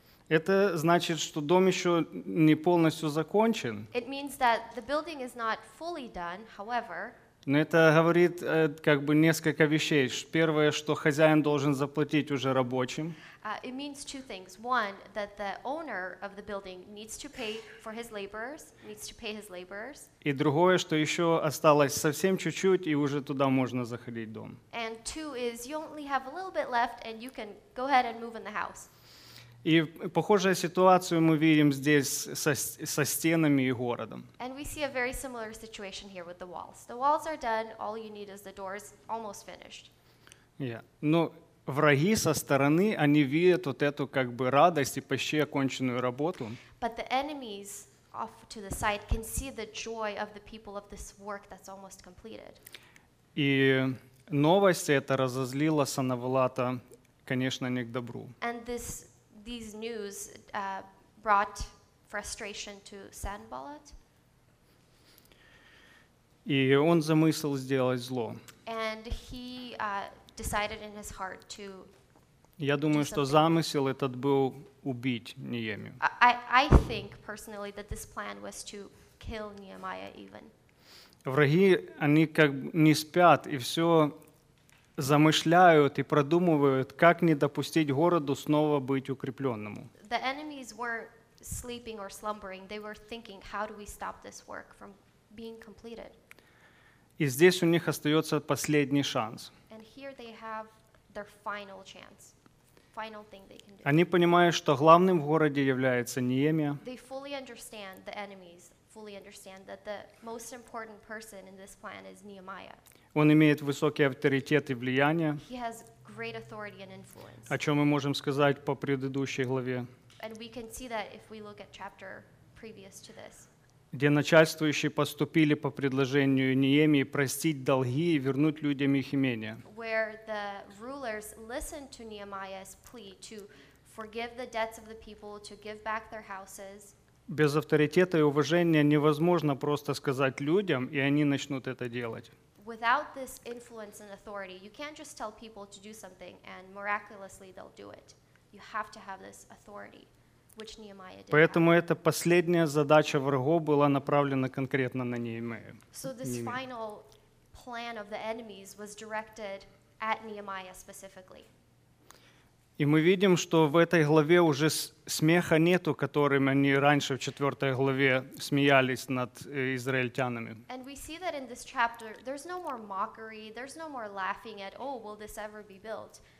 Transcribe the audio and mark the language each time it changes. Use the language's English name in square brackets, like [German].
[Russian] Это значит, что дом еще не полностью закончен. [English] It means that the building is not fully done, however. [Russian] Но это говорит как бы несколько вещей. Первое, что хозяин должен заплатить уже рабочим. [English] It means two things. One, that the owner of the building needs to pay for his laborers, needs to pay his laborers. [Russian] И другое, что еще осталось совсем чуть-чуть, и уже туда можно заходить в дом. [English] And two is you only have a little bit left, and you can go ahead and move in the house. [Russian] И похожую ситуацию мы видим здесь со стенами и городом. [English] And we see a very similar situation here with the walls. The walls are done, all you need is the doors, almost finished. Yeah. [Russian] Но враги со стороны, они видят вот эту как бы радость и почти оконченную работу. [English] But the enemies off to the side can see the joy of the people of this work that's almost completed. [Russian] И новость эта разозлила Санавалата, конечно, не к добру. [English] And these news brought frustration to Sanballat. [Russian] И он замыслил сделать зло. [English] And he decided in his heart to. [Russian] Я думаю, что замысел этот был убить Неемию. [English] I think personally that this plan was to kill Nehemiah even. [Russian] Враги, они как не спят и все замышляют и продумывают, как не допустить городу снова быть укрепленному. [English] The enemies weren't sleeping or slumbering. They were thinking, how do we stop this work from being completed? [Russian] И здесь у них остается последний шанс. [English] And here they have their final chance, final thing they can do. [Russian] Они понимают, что главным в городе является Неемия. [English] They fully understand the enemies. Fully understand that the most important person in this plan is Nehemiah. [Russian] Он имеет высокий авторитет и влияние. [English] He has great authority and influence. [Russian] О чем мы можем сказать по предыдущей главе? [English] And we can see that if we look at chapter previous to this. [Russian] Где начальствующие поступили по предложению Неемии простить долги и вернуть людям их имение. [English] Where the rulers listened to Nehemiah's plea to forgive the debts of the people, to give back their houses. [Russian] Без авторитета и уважения невозможно просто сказать людям, и они начнут это делать. [English] without this influence and authority, you can't just tell people to do something and miraculously they'll do it. You have to have this authority, which Nehemiah did. [Russian] Поэтому эта последняя задача врагов была направлена конкретно на Неемию. [English] So this final plan of the enemies was directed at Nehemiah specifically. [Russian] И мы видим, что в этой главе уже смеха нету, которым они раньше в 4 главе смеялись над израильтянами. [English] And we see that in this chapter, there's no more mockery, there's no more laughing at, oh, will this ever be built?